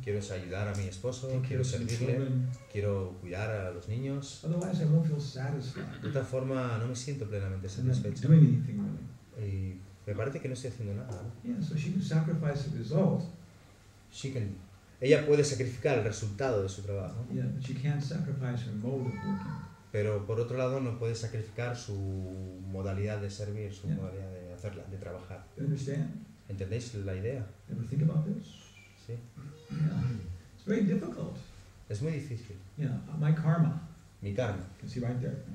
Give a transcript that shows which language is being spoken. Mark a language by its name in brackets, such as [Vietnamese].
[Spanish] Quiero ayudar a mi esposo, quiero servirle, quiero cuidar a los niños. [English] Otherwise, I won't feel satisfied. [Spanish] De otra forma, no me siento plenamente satisfecho. [English] I'm not doing anything, really. [Spanish] Y me parece que no estoy haciendo nada, ¿no? [English] Yeah, so she can sacrifice the result. She can. [Spanish] Ella puede sacrificar el resultado de su trabajo. [English] Yeah, but she can't sacrifice her mode of working. [Spanish] Pero por otro lado no puede sacrificar su modalidad de servir, su yeah. modalidad de hacerla, de trabajar. [English] Understand. [Spanish] ¿Entendéis la idea? [English] Ever think about this? [Spanish] Sí. [English] Yeah. It's very difficult. [Spanish] Es muy difícil. [English] Yeah, my karma. [Spanish] Mi karma. [English] Can see right there.